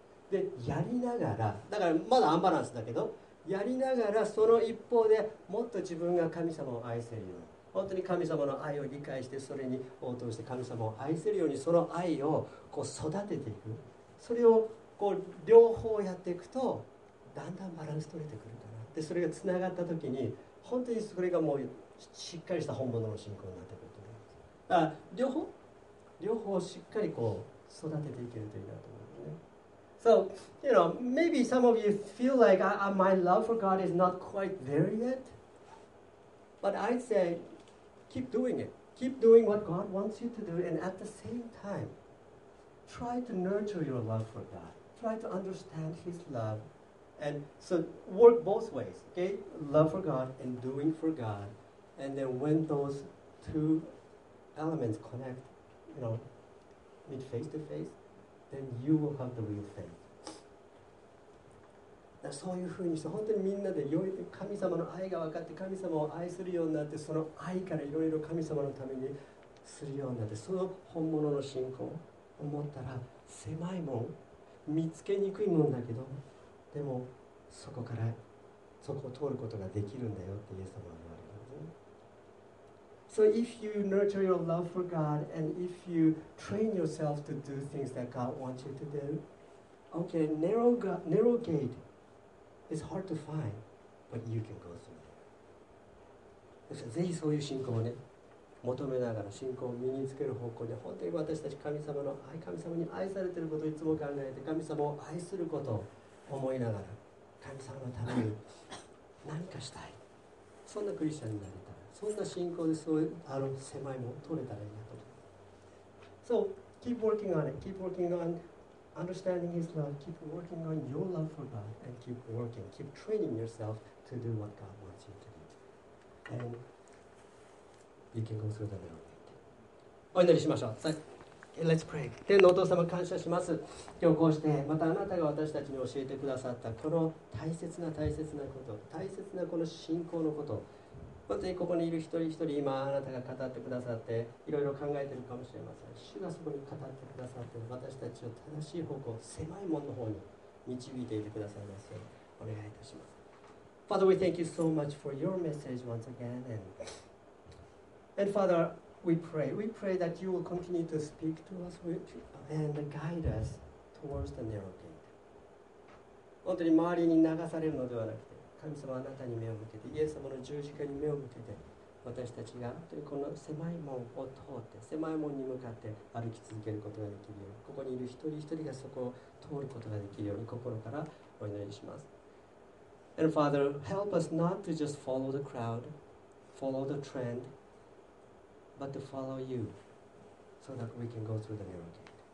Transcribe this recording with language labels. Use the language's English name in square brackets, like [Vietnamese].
[Japanese] でやりながら、だからまだアンバランスだけど、やりながらその一方でもっと自分が神様を愛せるように、本当に神様の愛を理解して、それに応答して神様を愛せるように、その愛をこう育てていく、それをこう両方やっていくとだんだんバランス取れてくるかな。でそれがつながった時に、本当にそれがもうしっかりした本物の信仰になってくると思います。だから両方しっかりこう育てていけるといいなと思うんですね。 [English] So, you know, maybe some of you feel like my love for God is not quite there yet. But I'd say, keep doing it. Keep doing what God wants you to do. And at the same time, try to nurture your love for God. Try to understand His love. And so work both ways. Okay? Love for God and doing for God. And then when those two elements connect, you know, meet face to face,Then you will have the real faith. [Japanese] そういうふうにして、本当にみんなで神様の愛が分かって、神様を愛するようになって、その愛からいろいろ神様のためにするようになって、その本物の信仰を持ったら、狭いもん、見つけにくいもんだけど、でもそこからそこを通ることができるんだよってイエス様は言われるんですね。 [English] So if you nurture your love for God and if you train yourself to do things that God wants you to do, okay, narrow gate is hard to find, but you can go through it. [Japanese] ぜひそういう信仰をね、求めながら信仰を身につける方向で、本当に私たち神様の愛、神様に愛されていることをいつも考えて、神様を愛すること、思いながら神様のために何かしたい、そんなクリスチャンになれたら、そんな信仰でそういうあの狭いものを取れたらいいなと。 [English] So keep working on it, keep working on understanding His love, keep working on your love for God, and keep working, keep training yourself to do what God wants you to do. And you can go through the mountain. [Japanese] お祈りしましょう。はい。 [English] Let's pray. [Japanese] 天のお父様、感謝します。今日こうしてまたあなたが私たちに教えてくださったこの大切な大切なこと、大切なこの信仰のこと、本当にここにいる一人一人、今あなたが語ってくださっていろいろ考えているかもしれません、主がそこに語ってくださって私たちを正しい方向、狭い門の方に導いていてくださいますよう、お願いいたします。 [English] Father, we thank you so much for your message once again, and FatherWe pray that you will continue to speak to us and guide us towards the narrow gate. [Japanese] 本当に周りに流されるのではなくて、神様あなたに目を向けて、イエス様の十字架に目を向けて、私たちがこの狭い門を通って、狭い門に向かって歩き続けることができるように、ここにいる一人一人がそこを通ることができるように心からお祈りします。 [English] And Father, help us not to just follow the crowd, follow the trend,but to follow you so that we can go through the narrow gate.